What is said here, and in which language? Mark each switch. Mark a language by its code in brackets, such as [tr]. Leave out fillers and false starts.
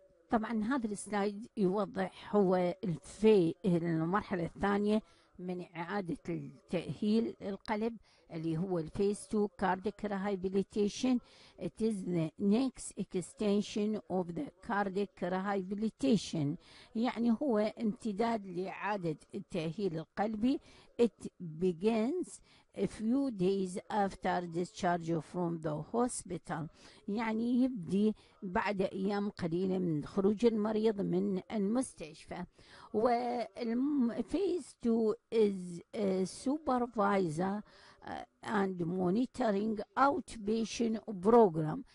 [ar] طبعا هذا السلايد يوضح هو في المرحلة الثانية من إعادة التأهيل القلب اللي هو الفيس 2 cardiac rehabilitation. [en] It is the next extension of the cardiac rehabilitation. [ar] يعني هو امتداد لإعادة التأهيل القلبي. [en] It begins a few days after discharge from the hospital. [ar] يعني يبدي بعد أيام قليلة من خروج المريض من المستشفى. [en] والفيس 2 is a supervisor and monitoring outpatient program.